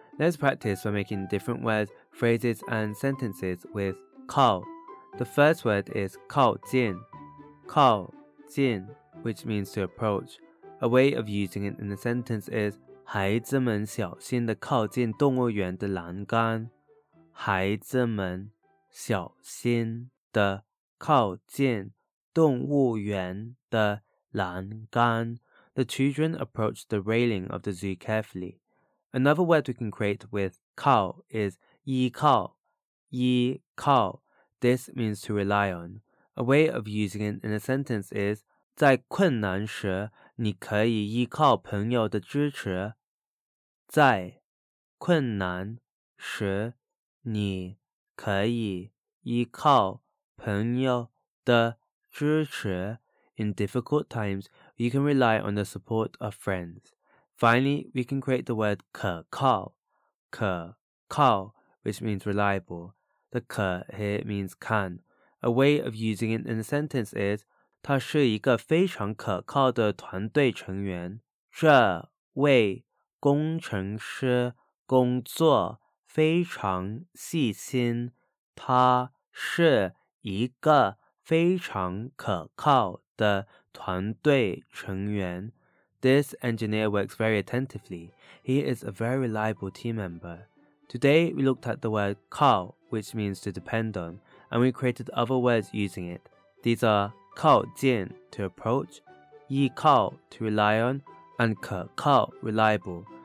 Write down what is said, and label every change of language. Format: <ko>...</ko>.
<en>Let's practice by making different words, phrases and sentences with 靠. The first word is 靠近 靠近, which means to approach. A way of using it in a sentence is</en> <zh>孩子们小心地靠近动物园的栏杆。孩子们小心地靠近动物园的栏杆。</zh> <en>The children approach the railing of the zoo carefully. Another word we can create with 靠 is 依靠。依靠。This means to rely on. A way of using it in a sentence is</en> <zh>在困难时你可以依靠朋友的支持。在困难时你可以依靠朋友的支持。</zh> <en>In difficult times, you can rely on the support of friends. Finally, we can create the word 可靠。可靠 which means reliable. The 可 here means can. A way of using it in a sentence is,</en> <zh>他是一个非常可靠的团队成员。这位工程师工作非常细心。他是一个非常可靠的团队成员。</zh> <en>This engineer works very attentively. He is a very reliable team member. Today, we looked at the word 靠, which means to depend on, and we created other words using it. These are... 靠近 to approach, 依靠 to rely on, and 可靠 reliable.</en>